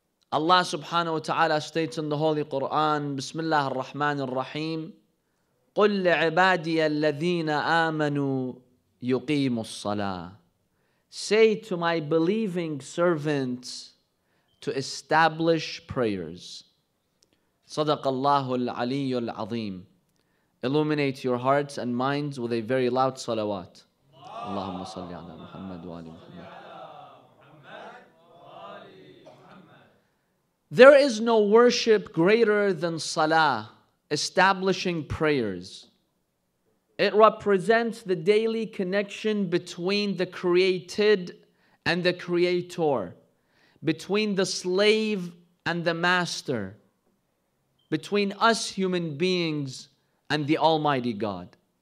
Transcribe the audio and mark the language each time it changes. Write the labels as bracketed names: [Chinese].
[English] Allah subhanahu wa ta'ala states in the Holy Quran, Bismillah ar-Rahman ar-Rahim, [Arabic] قُلْ لِعِبَادِيَ الَّذِينَ آمَنُوا يُقِيمُ الصَّلَاةِ. [English] Say to my believing servants to establish prayers. [Arabic] صدق الله العلي العظيم. [English] Illuminate your hearts and minds with a very loud salawat. [Arabic] اللهم صل على محمد وآل محمد. [English] There is no worship greater than salah, establishing prayers. It represents the daily connection between the created and the creator, between the slave and the master, between us human beings and the Almighty God.